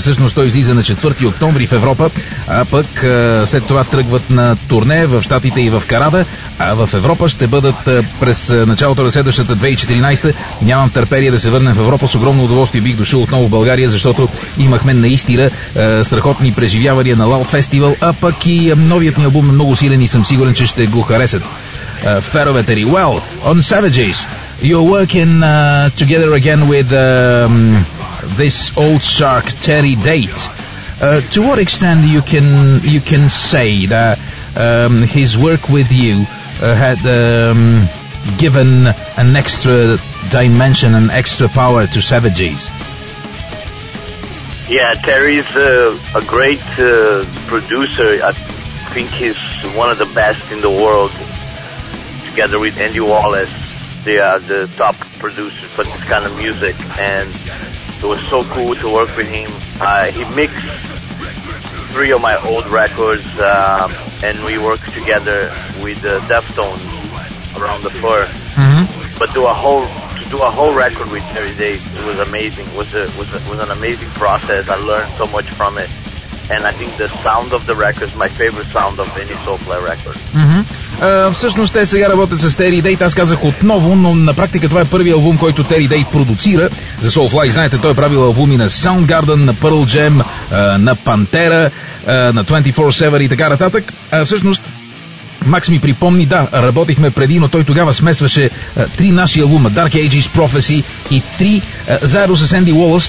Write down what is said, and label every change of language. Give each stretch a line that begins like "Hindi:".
Bulgarian: Всъщност той излиза на 4 октомври в Европа, а пък след това тръгват на турне в Щатите и в Канада, а в Европа ще бъдат през началото на следващата 2014. Нямам търпение да се върнем в Европа. С огромно удоволствие бих дошъл отново в България, защото имахме наистина страхотни преживявания на Loud Festival, а пък и новият ни албум е много силен и съм сигурен, че ще го харесат феновете ни.
English: Well, on Savages, you're working together again with this old shark, Terry Date. To what extent you can say that his work with you had given an extra dimension and extra power to Savages? Yeah, Terry's a great producer. I think he's one of the best in the world, together with Andy Wallace. They are the top producers for this kind of music, and it was so cool to work with him. He mixed three of my old records, and we worked together with Deftones around the fur. Mm-hmm. But to do a whole record with Terry Date, it was amazing. It was an amazing process. I learned so much from it. And I think the sound of the record is my favorite sound of any Soulfly record. Mm-hmm.
Bulgarian: Всъщност те сега работят с Terry Date. Аз казах отново, но на практика това е първият албум, който Terry Date продуцира за Soulfly. Знаете, той е правил албуми на Soundgarden, на Pearl Jam, на Pantera, на 24/7 и така нататък. Всъщност Макс ми припомни, да, работихме преди, но той тогава смесваше три наши албума, Dark Ages, Prophecy и три, заедно с Andy Wallace.